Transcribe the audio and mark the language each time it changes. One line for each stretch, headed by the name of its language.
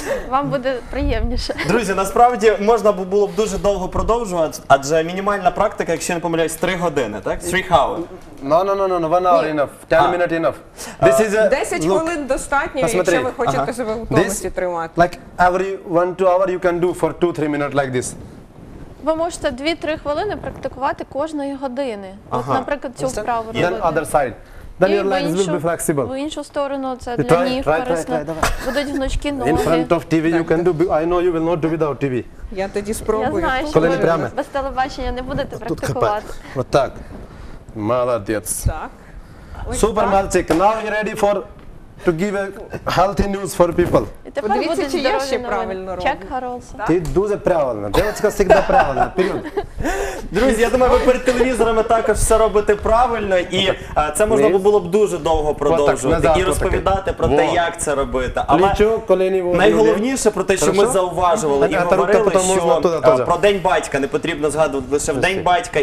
Ukrainian: Вам буде приємніше. Друзі, насправді можна було б дуже довго продовжувати, адже мінімальна практика, якщо я не помиляюсь, 3 години, так?
English: 3 hours. No, 1 hour enough. 10 minutes enough. This is
Ukrainian: 10 хвилин достатньо, посмотри. Якщо ви хочете себе в тонусі тримати.
English: Like every 1-2 hour you can do for 2-3 minutes like this.
Ukrainian: Ви можете 2-3 хвилини практикувати кожної години. Ага. От, наприклад, цю вправу робити.
English: Then other side. Then your legs will be flexible.
Ukrainian: В іншу сторону, це для ніг, корисно. Будуть гнучкі ноги.
English: In front of TV you can do, I know you will not do without TV.
Ukrainian: Я тоді спробую. Я знаю, коли що ви без телебачення не будете практикувати. От так. Молодець. Так. Супер, мальчик.
English: Now you ready for to give a healthy news for people.
Ukrainian: Подивіться, чи я ще правильно роблю. Чек Харолса. Ти дуже правильно. Дівчатка завжди правильно. Друзі, я думаю, ви перед телевізорами також все робите правильно. І це можна було б дуже довго продовжувати. І розповідати про те, як це робити. Але найголовніше про те, що ми зауважували і говорили, що про День батька не потрібно згадувати лише в День батька.